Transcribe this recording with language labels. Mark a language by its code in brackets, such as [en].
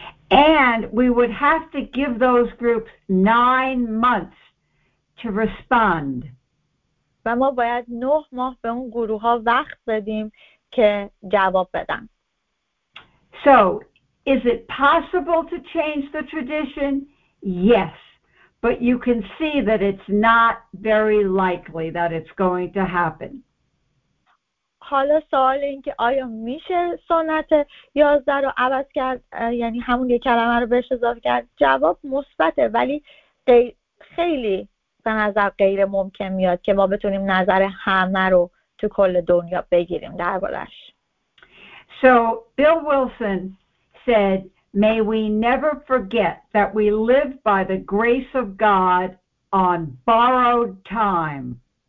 [en] And we would have to give those groups 9 months to respond. [fa] و ما باید 9 ماه به اون گروه ها وقت بدیم که جواب بدن. [en] So, is it possible to change the tradition? Yes. But you can see that it's not very likely that it's going to happen. [fa] حالا سوال این که آیا میشه سنت 11 رو عوض کرد، یعنی همون یک کلمه رو بهش اضافه کرد؟ جواب مثبته، ولی خیلی به نظر غیر ممکن میاد که ما بتونیم نظر همه رو تو کل دنیا بگیریم دربارش. [en] So Bill Wilson said, "May we never forget that we live by the grace of God on borrowed time."